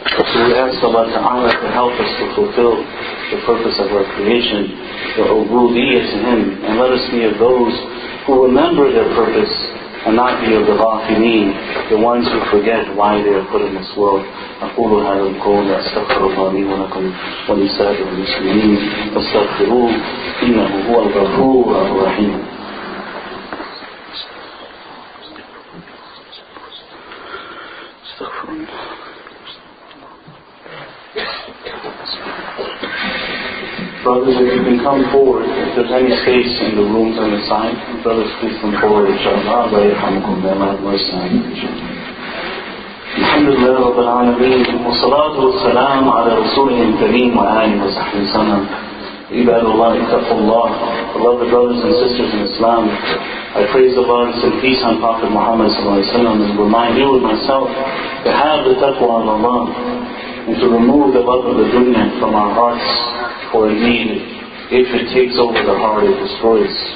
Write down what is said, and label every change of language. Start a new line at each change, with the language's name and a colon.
English: So we ask Allah Ta'ala to help us to fulfill the purpose of our creation, the ubudiyyah to Him, and let us be of those who remember their purpose, and not be of the ghafileen, the ones who forget why they are put in this world.
Arabic: أقول هذا القول أستغفر الله لي ولكم ولسائر المسلمين فاستغفروه إنه هو الغفور الرحيم.
English: Brothers, if you can come forward, if there's any space in the rooms on the side, brothers, please come forward, inshallah.
Arabic: Wa yirhamukum bi rahmatihi. الحمد لله رب العالمين والصلاة والسلام على رسوله الكريم وآله وصحبه وسلم. عباد الله اتقوا الله.
English: Beloved brothers and sisters in Islam, I praise Allah and send peace on Prophet Muhammad
Arabic: صلى الله عليه وسلم
English: and remind you and myself to have the taqwa of Allah and to remove the love of the dunya from our hearts, for indeed if it takes over the heart it destroys.